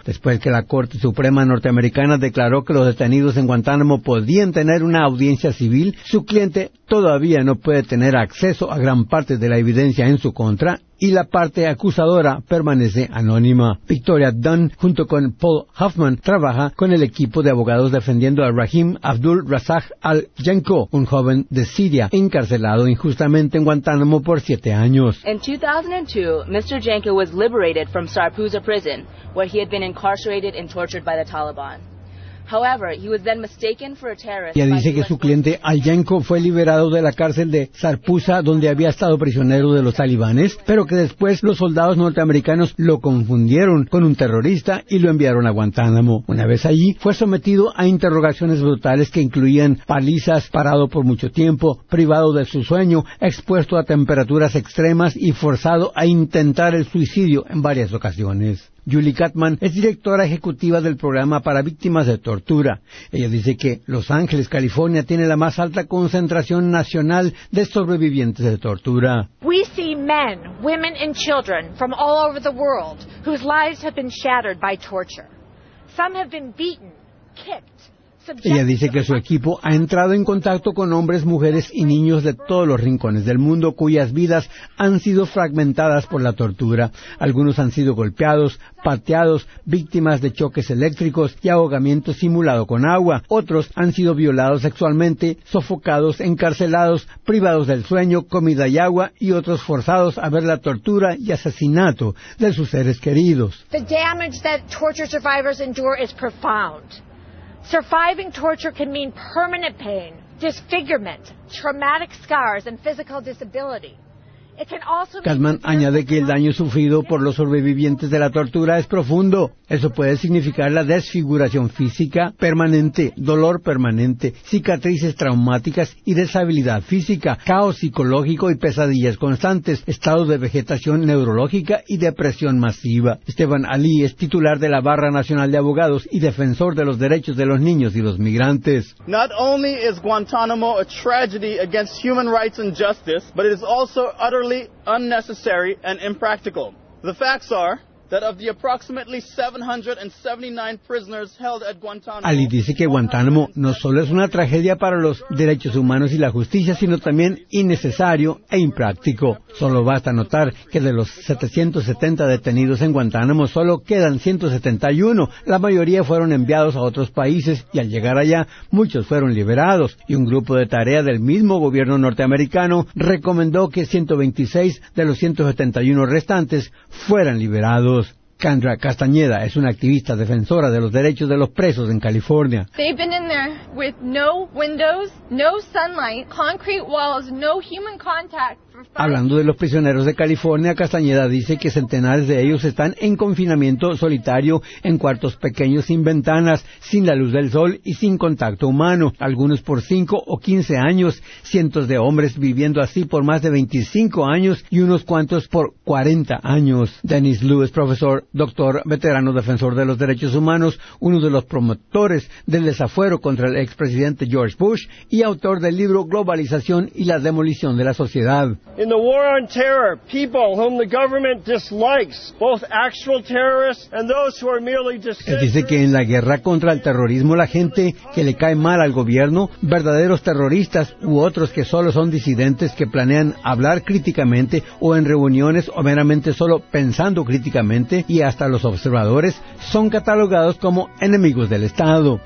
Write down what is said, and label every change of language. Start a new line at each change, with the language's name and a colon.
Spanish: Después que la Corte Suprema norteamericana declaró que los detenidos en Guantánamo podían tener una audiencia civil, su cliente todavía no puede tener acceso a gran parte de la evidencia en su contra y la parte acusadora permanece anónima. Victoria Dunn, junto con Paul Huffman, trabaja con el equipo de abogados defendiendo a Rahim Abdul Razak Al-Janko, un joven de Siria encarcelado injustamente en Guantánamo por 7 años.
English: En 2002, Mr. Janko was liberated from Sarpusa prison, where he had been incarcerated and tortured by the Taliban. However, he was then mistaken for a terrorist.
Spanish: Ella dice que su cliente Al-Janko fue liberado de la cárcel de Sarpusa, donde había estado prisionero de los talibanes, pero que después los soldados norteamericanos lo confundieron con un terrorista y lo enviaron a Guantánamo. Una vez allí, fue sometido a interrogaciones brutales que incluían palizas, parado por mucho tiempo, privado de su sueño, expuesto a temperaturas extremas y forzado a intentar el suicidio en varias ocasiones. Julie Gatman es directora ejecutiva del programa para víctimas de tortura. Ella dice que Los Ángeles, California, tiene la más alta concentración nacional de sobrevivientes de tortura.
English: We see men, women and children from all over the world whose lives have been shattered by torture. Some have been beaten, kicked.
Spanish: Ella dice que su equipo ha entrado en contacto con hombres, mujeres y niños de todos los rincones del mundo cuyas vidas han sido fragmentadas por la tortura. Algunos han sido golpeados, pateados, víctimas de choques eléctricos y ahogamiento simulado con agua. Otros han sido violados sexualmente, sofocados, encarcelados, privados del sueño, comida y agua y otros forzados a ver la tortura y asesinato de sus seres queridos.
English: The damage that torture survivors endure is profound. Surviving torture can mean permanent pain, disfigurement, traumatic scars, and physical disability.
Spanish: Gatman añade que el daño sufrido por los sobrevivientes de la tortura es profundo. Eso puede significar la desfiguración física permanente, dolor permanente, cicatrices traumáticas y deshabilidad física, caos psicológico y pesadillas constantes, estado de vegetación neurológica y depresión masiva. Esteban Ali es titular de la Barra Nacional de Abogados y defensor de los derechos de los niños y los migrantes.
English: Not only is Guantánamo a tragedy against human rights and justice, but it is also utterly unnecessary and impractical. The facts are that of the approximately 779 prisoners held at Guantánamo.
Spanish: Ali dice que Guantánamo no solo es una tragedia para los derechos humanos y la justicia, sino también innecesario e impráctico. Solo basta notar que de los 770 detenidos en Guantánamo, solo quedan 171. La mayoría fueron enviados a otros países y al llegar allá, muchos fueron liberados. Y un grupo de tarea del mismo gobierno norteamericano recomendó que 126 de los 171 restantes fueran liberados. Kendra Castañeda es una activista defensora de los derechos de los presos en California.
English: They've been in there with no windows, no sunlight, concrete walls, no human contact.
Spanish: Hablando de los prisioneros de California, Castañeda dice que centenares de ellos están en confinamiento solitario en cuartos pequeños sin ventanas, sin la luz del sol y sin contacto humano. Algunos por 5 o 15 años, cientos de hombres viviendo así por más de 25 años y unos cuantos por 40 años. Dennis Lewis, profesor, doctor, veterano defensor de los derechos humanos, uno de los promotores del desafuero contra el expresidente George Bush y autor del libro Globalización y la demolición de la sociedad.
English: In the war on terror, people whom the government dislikes, both actual terrorists and those who are merely dissenters.
Spanish: Él dice que en la guerra contra el terrorismo, la gente que le cae mal al gobierno, verdaderos terroristas u otros que solo son disidentes que planean hablar críticamente o en reuniones o meramente solo pensando críticamente, y hasta los observadores, son catalogados como enemigos del Estado.